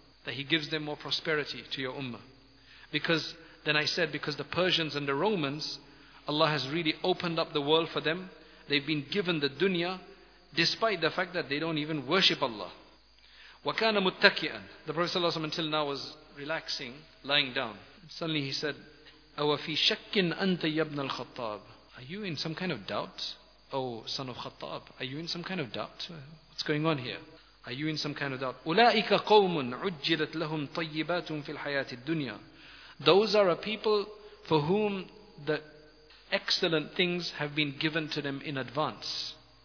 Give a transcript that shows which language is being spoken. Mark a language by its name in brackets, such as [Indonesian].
[English] That he gives them more prosperity to your ummah. Because, then I said, because the Persians and the Romans, Allah has really opened up the world for them. They've been given the dunya, despite the fact that they don't even worship Allah. [Arabic] وَكَانَ مُتَّكِئًا. [English] The Prophet ﷺ until now was relaxing, lying down. Suddenly he said, [Arabic] أَوَفِي شَكٍ أَنْتَ يَبْنَ الْخَطَّابِ. [English] Are you in some kind of doubt, O son of Khattab? Are you in some kind of doubt? What's going on here? Are you in some kind of doubt? [Arabic] أُولَٰئِكَ قَوْمٌ عُجِّلَتْ لَهُمْ طَيِّبَاتٌ فِي الْحَيَاةِ الدُّنْيَا. [English] Those are a people for whom the excellent things have been given to them in advance.